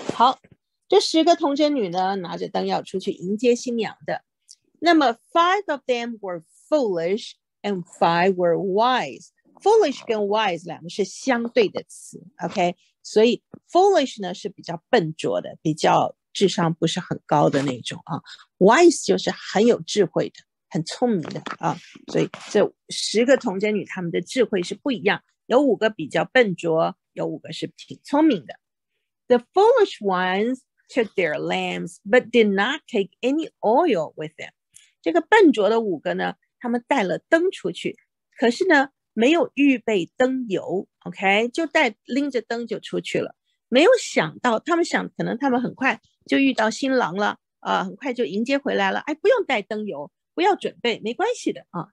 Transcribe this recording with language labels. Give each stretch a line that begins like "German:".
Chinese: 好，这十个童贞女呢，拿着灯要出去迎接新娘的。那么
English: five of them were foolish and five were wise.
Chinese: Foolish 跟 wise 两个是相对的词， OK? 所以 foolish 呢是比较笨拙的，比较智商不是很高的那种啊。 Wise 就是很有智慧的，很聪明的啊。所以这十个童贞女她们的智慧是不一样，有五个比较笨拙，有五个是挺聪明的。
English: The foolish ones took their lamps, but did not take any oil with them.
Chinese: 这个笨拙的五个呢，他们带了灯出去，可是呢，没有预备灯油， OK? 就带拎着灯就出去了。没有想到，他们想可能他们很快就遇到新郎了，很快就迎接回来了，哎，不用带灯油，不要准备，没关系的啊。